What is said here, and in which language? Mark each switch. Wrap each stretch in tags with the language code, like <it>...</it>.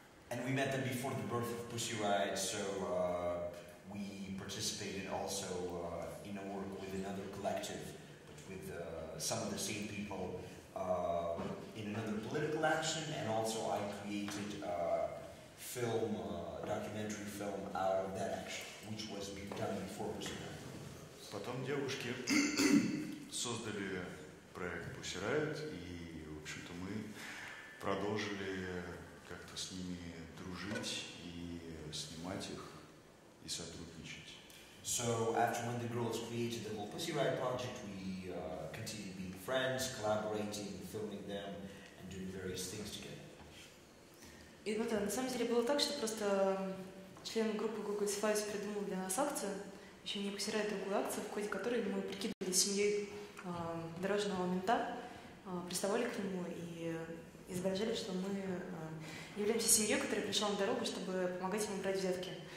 <en>And we met them before the birth of Pussy Riot, so we participated also in a work with another collective, but with some of the same people in another political action, and also I created a film, documentary film out of that action, which was done before Pussy Riot.</en> <ru>Потом девушки создали проект Pussy Riot, и, в общем-то, мы продолжили как-то с ними дружить и снимать их и сотрудничать.</ru> <en>So after when the girls created the whole Pussy Riot project, we continued being friends, collaborating, filming them and doing various things together.</en> <ru>И вот на самом деле было так, что просто члены группы Google Spice придумали для нас акцию, еще не Pussy Riot, другую акцию, в ходе которой мы прикидывали семьей дорожного мента, приставали к нему и изображали, что мы являемся семьей, которая пришла на дорогу, чтобы помогать ему брать взятки.</ru>